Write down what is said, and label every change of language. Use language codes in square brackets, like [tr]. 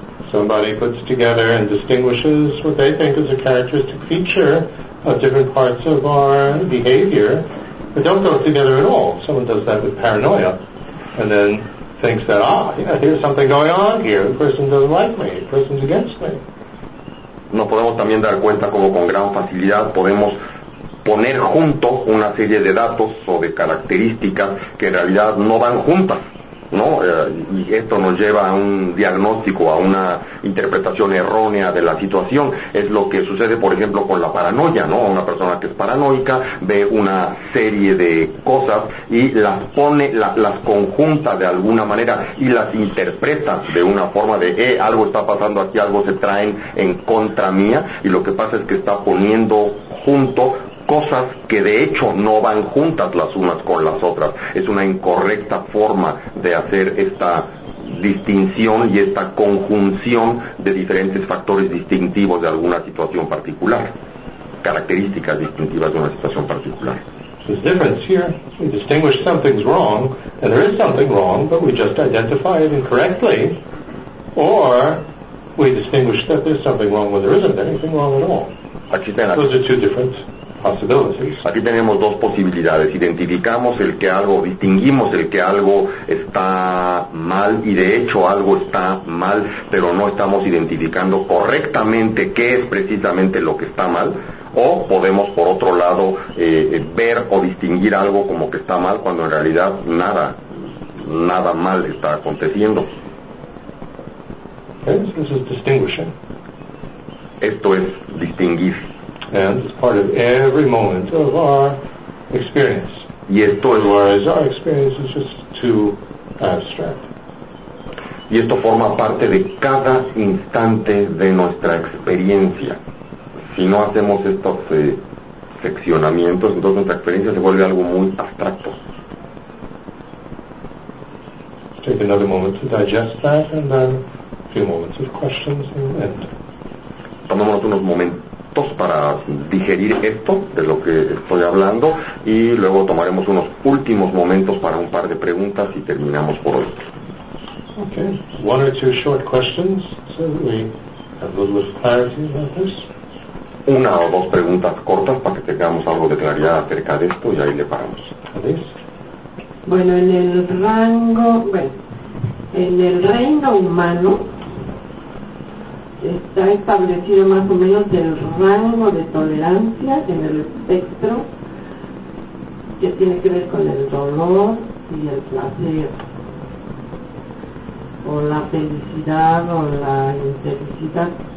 [en] somebody puts together and distinguishes what they think is a characteristic feature of different parts of our behavior, but don't go together at all. Someone does that with paranoia and then thinks that, here's something going on here. The person doesn't like me. The person's against me. [es] Nos podemos también dar cuenta como con gran facilidad podemos poner junto una serie de datos o de características que en realidad no van juntas, ¿no? Y esto nos lleva a un diagnóstico, a una interpretación errónea de la situación. Es lo que sucede, por ejemplo, con la paranoia, ¿no? Una persona que es paranoica ve una serie de cosas y las pone, las conjunta de alguna manera y las interpreta de una forma de, algo está pasando aquí, algo se traen en contra mía, y lo que pasa es que está poniendo junto cosas que de hecho no van juntas las unas con las otras. Es una incorrecta forma de hacer esta distinción y esta conjunción de diferentes factores distintivos de alguna situación particular, características distintivas de una situación particular. [en] There's a difference here. We distinguish something's wrong, and there is something wrong, but we just identify it incorrectly, or we distinguish that there's something wrong when there isn't anything wrong at all. [es] Aquí están. [en] Those are two different. [es] Aquí tenemos dos posibilidades. Identificamos el que algo, distinguimos el que algo está mal y de hecho algo está mal, pero no estamos identificando correctamente qué es precisamente lo que está mal. O podemos, por otro lado, ver o distinguir algo como que está mal cuando en realidad nada mal está aconteciendo. [en] Okay, this is distinguishing. [es] Esto es distinguir. [en] And it's part of every moment of our experience. [es] Y esto es, [en] whereas our experience is just too abstract. [es] Y esto forma parte de cada instante de nuestra experiencia. Si no hacemos estos seccionamientos, entonces nuestra experiencia se vuelve algo muy abstracto. [en] Take another moment to digest that, and then a few moments of questions and end. [es] Tomémonos unos momentos para digerir esto de lo que estoy hablando y luego tomaremos unos últimos momentos para un par de preguntas y terminamos por hoy. [en] Okay, one or two short questions so that we have a little bit of clarity about this. [es] Una o dos preguntas cortas para que tengamos algo de claridad acerca de esto y ahí le paramos. Bueno, en el rango, en el reino humano está establecido más o menos el rango de tolerancia en el espectro que tiene que ver con el dolor y el placer o la felicidad o la infelicidad.